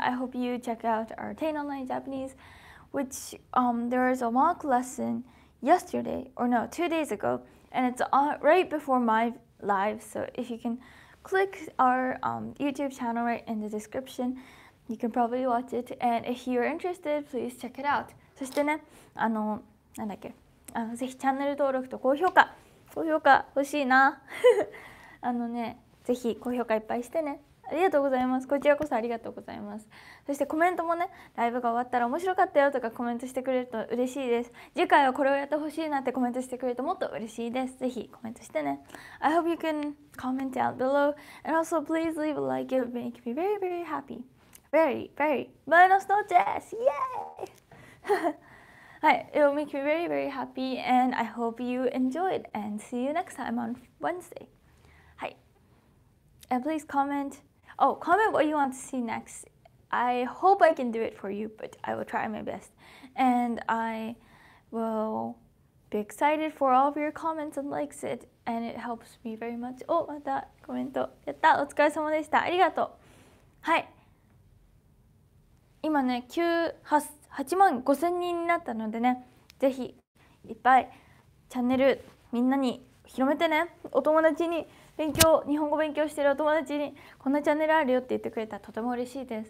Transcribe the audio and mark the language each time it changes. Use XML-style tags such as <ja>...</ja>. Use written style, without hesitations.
<en>I hope you check out our Tain Online Japanese, which there is a mock lesson yesterday, or no, 2 days ago, and it's right before my live, so if you can click our YouTube channel right in the description, you can probably watch it, and if you're interested, please check it out.</en> <ja>そしてね、あの、なんだっけ、あのぜひチャンネル登録と高評価欲しいな。あのね、ぜひ高評価いっぱいしてね。ありがとうございます。こちらこそありがとうございます。そしてコメントもね、ライブが終わったら面白かったよとかコメントしてくれると嬉しいです。次回はこれをやってほしいなってコメントしてくれるともっと嬉しいです。ぜひコメントしてね。</ja> <en>I hope you can comment down below and also please leave a like, it would make me very very happy, very very</en> <es>buenos noches,</es> <en>yay! Hi, it will make me very very happy and I hope you enjoyed and see you next time on Wednesday. Hi, and please comment. Oh, comment what you want to see next. I hope I can do it for you, but I will try my best. And I will be excited for all of your comments and likes it and it helps me very much.</en> <ja>Oh, またコメントやった。お疲れ様でした。ありがとう。はい。今ね、8万5000人になったのでね、ぜひいっぱいチャンネルみんなに広めてね。お友達に、勉強日本語勉強してるお友達にこんなチャンネルあるよって言ってくれたらとても嬉しいです。</ja>